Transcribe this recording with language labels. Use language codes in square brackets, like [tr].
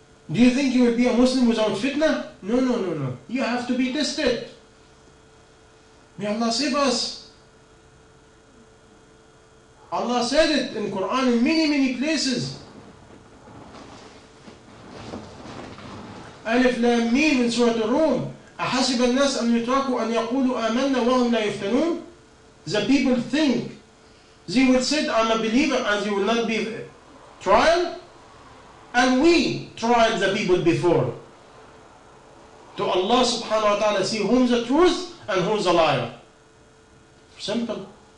[en] Do you think he will be a Muslim without fitna? No. You have to be tested. May Allah save us. Allah said it in Quran in many, many places. [ar] Alif Lam Mim [en] in Surah Ar-Rum. [ar] أَحَسِبَ النَّاسَ أَنْ يُتْرَكُوا أَنْ يَقُولُوا آمَنَّا وَهُمْ لَا يُفْتَنُونَ. [en] the people think they will said, I'm a believer, and they will not be trial. And we tried the people before. To Allah subhanahu wa ta'ala, see whom the truth and who's a liar. Simple.